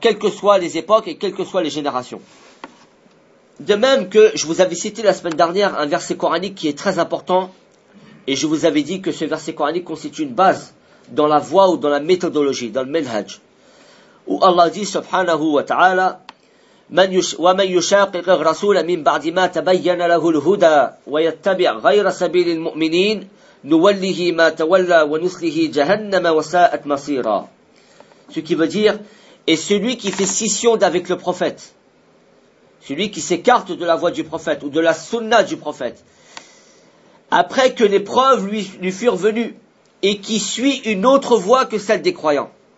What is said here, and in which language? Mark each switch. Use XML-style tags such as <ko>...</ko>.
<fr>Quelles que soient les époques et quelles que soient les générations. De même que je vous avais cité la semaine dernière un verset coranique qui est très important, et je vous avais dit que ce verset coranique constitue une base dans la voie ou dans la méthodologie, dans le manhaj. Où Allah dit, subhanahu wa ta'ala,</fr> <ar>ومن يشاقق الرسول من بعد ما تبين له الهدى ويتبع غير سبيل المؤمنين نوله ما تولى ونصله جهنم وساءت مصيرا.</ar> <fr>Ce qui veut dire, et celui qui fait scission d'avec le prophète, celui qui s'écarte de la voie du prophète ou de la sunna du prophète, après que les preuves lui furent venues et qui suit une autre voie que celle des croyants.</fr>